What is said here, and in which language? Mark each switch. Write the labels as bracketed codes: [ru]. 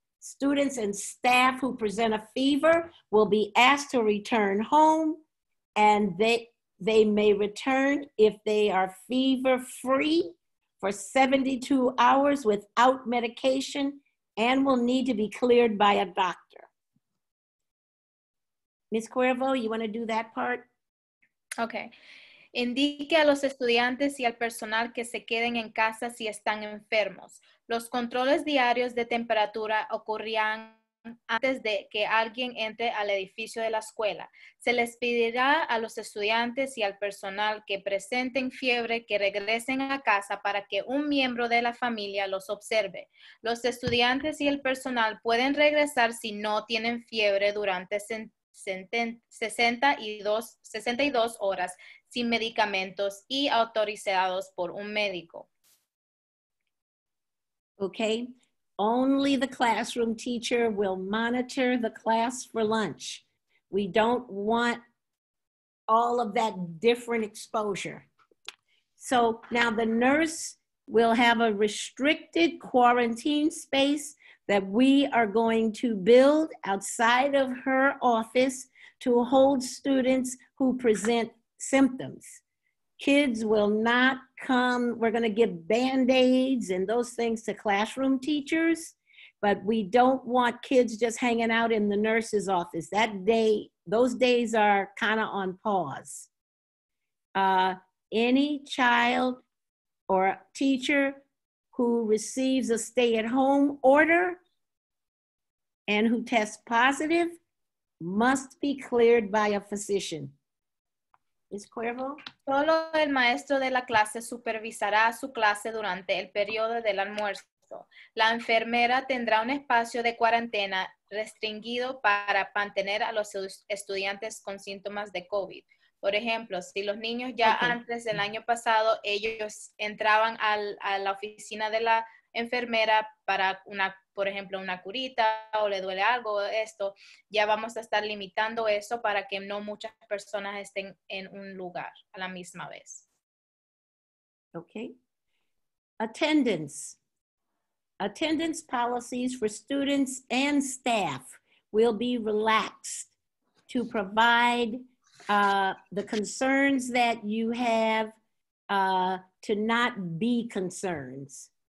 [en] Students and staff who present a fever will be asked to return home, and they may return if they are fever-free for 72 hours without medication and will need to be cleared by a doctor. Ms. Cuervo, you want to do that part? Okay. [es] Indique a los estudiantes y al personal que se queden en casa si están enfermos. Los controles diarios de temperatura ocurrirán antes de que alguien entre al edificio de la escuela. Se les pedirá a los estudiantes y al personal que presenten fiebre que regresen a casa para que un miembro de la familia los observe. Los estudiantes y el personal pueden regresar si no tienen fiebre durante 62 horas sin medicamentos y autorizados por un médico. [en] Okay. Only the classroom teacher will monitor the class for lunch. We don't want all of that different exposure. So now the nurse will have a restricted quarantine space that we are going to build outside of her office to hold students who present symptoms. Kids will not come. We're going to give Band-Aids and those things to classroom teachers, but we don't want kids just hanging out in the nurse's office. That day, those days are kind of on pause. Any child or teacher who receives a stay-at-home order and who tests positive must be cleared by a physician. Ms. Cuervo? [es] Solo el maestro de la clase supervisará su clase durante el periodo del almuerzo. La enfermera tendrá un espacio de cuarentena restringido para mantener a los estudiantes con síntomas de COVID. Por ejemplo, si los niños ya antes del año pasado, ellos entraban a la oficina de la enfermera para una, por ejemplo, una curita o le duele algo, esto, ya vamos a estar limitando eso para que no muchas personas estén en un lugar a la misma vez. [en] Okay. Attendance. Attendance policies for students and staff will be relaxed to provide the concerns that you have to not be concerns.